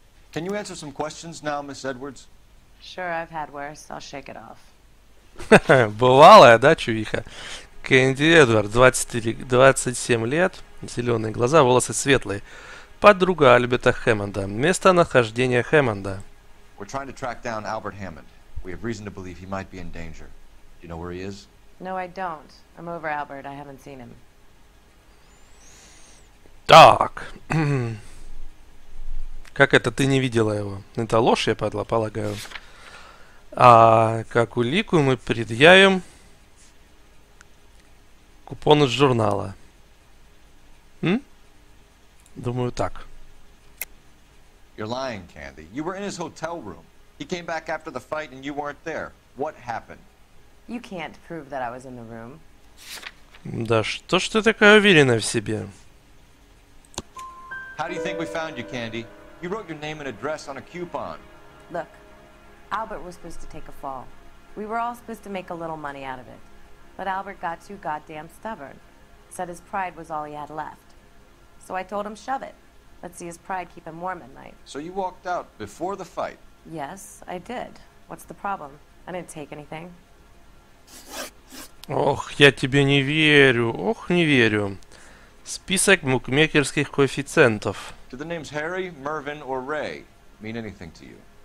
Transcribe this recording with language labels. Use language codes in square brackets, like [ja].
[en] Can you answer some questions now, Miss Edwards? Sure, I've had worse. I'll shake it off. [ru] Бывалая, да, чувиха? Кэнди Эдвард, 27 лет, зеленые глаза, волосы светлые. Подруга Альберта Хэммонда. Местонахождение Хэммонда. [en] We're trying to track down Albert Hammond. We have reason to believe he might be in danger. Do you know where he is? No, I don't. I'm over Albert. I haven't seen him. [ru] Так. Как это ты не видела его? Это ложь, я полагаю. А как улику мы предъявим купон из журнала. Думаю, так. [en] You're lying, Candy. You were in his hotel room. He came back after the fight and you weren't there. What happened? You can't prove that I was in the room. [ru] Да что ж ты такая уверенная в себе? [en] How do you think we found you, Candy? You wrote your name and address on a coupon. Look, Albert was supposed to take a fall. We were all supposed to make a little money out of it. But Albert got too goddamn stubborn. Said his pride was all he had left. So I told him, shove it. Let's see his pride keep him warm at night. So you walked out before the fight? Yes, I did. What's the problem? I didn't take anything. [ru] Ох, я тебе не верю. Ох, не верю. Список букмекерских коэффициентов. [en] Do the names Harry, Mervin, or Ray mean anything to you?